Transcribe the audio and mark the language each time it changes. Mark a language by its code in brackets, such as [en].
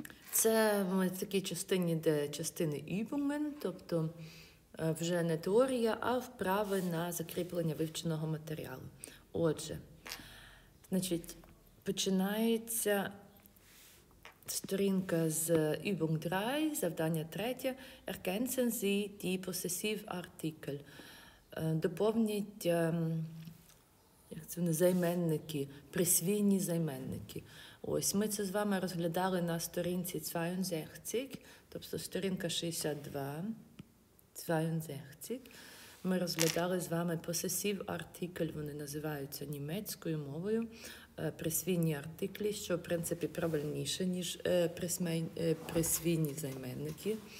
[uk] Це в такій частині, де частини Übungen, тобто вже не теорія, а вправи на закріплення вивченого матеріалу. Отже, значить, починається сторінка з Übung 3, завдання 3. [de] Erkennen Sie die Possessivartikel. [uk] Доповніть, як це вони, займенники, присвійні займенники. Ось, ми це з вами розглядали на сторінці 62, тобто сторінка 62, 62. Ми розглядали з вами посесів артикль, вони називаються німецькою мовою, присвійні артиклі, що, в принципі, правильніше, ніж присвійні займенники.